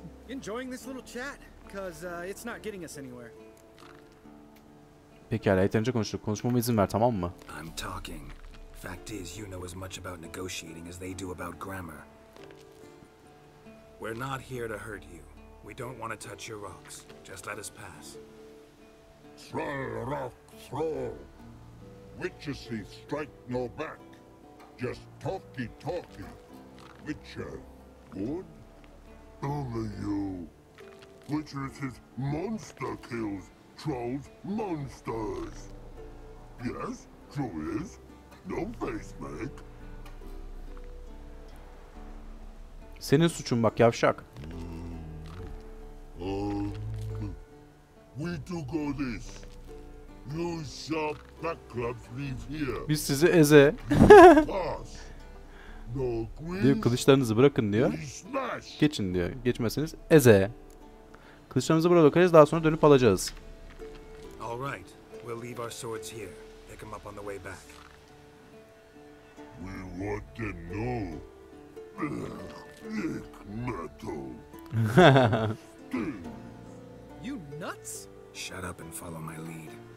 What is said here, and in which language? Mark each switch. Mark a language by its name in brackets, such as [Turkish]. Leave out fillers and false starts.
[English] Enjoying this little chat, cause it's not getting us anywhere. [Turkish] Pekala, yeterince konuştuk. Konuşmama izin ver, tamam mı? [English] I'm talking. Fact is, you know as much about negotiating as they do about grammar. We're not here to hurt you. We don't want to touch your rocks. Just let us pass. Troll rock troll. Witchesy strike no back. Just talky talky. Witcher, good? Only you. Witchesy's monster kills. Trolls monsters. Yes, true is. No face make. [Turkish] Senin suçun bak yavşak. [English] We do go this. You shall back clubs leave here. [Turkish] Biz sizi eze. [English] No green. [Turkish] Diyor, kılıçlarınızı bırakın diyor. Geçin diyor. Geçmezseniz eze. Kılıçlarımızı burada bırakacağız, daha sonra dönüp alacağız. [English] All right, we'll leave our swords here. Pick them up on the way back. We want them no. Thick metal. You nuts? Shut up and follow my lead.